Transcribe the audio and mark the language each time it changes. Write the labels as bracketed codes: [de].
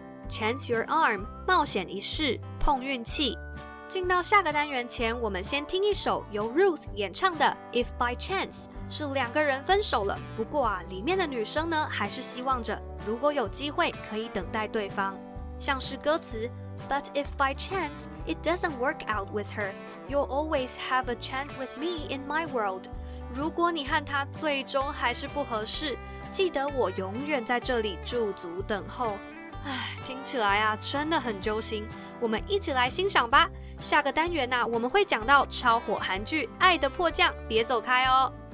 [en] Chance your arm, [zh] 冒险一试、碰运气。进到下个单元前，我们先听一首由 Ruth 演唱的 If by Chance。是两个人分手了，不过啊，里面的女生呢，还是希望着如果有机会可以等待对方。像是歌词 [en] ，But if by chance it doesn't work out with her, you'll always have a chance with me in my world。 [zh] 如果你和她最终还是不合适，记得我永远在这里驻足等候。唉，听起来啊，真的很揪心。我们一起来欣赏吧。下个单元啊，我们会讲到超火韩剧《爱的迫降》，别走开哦。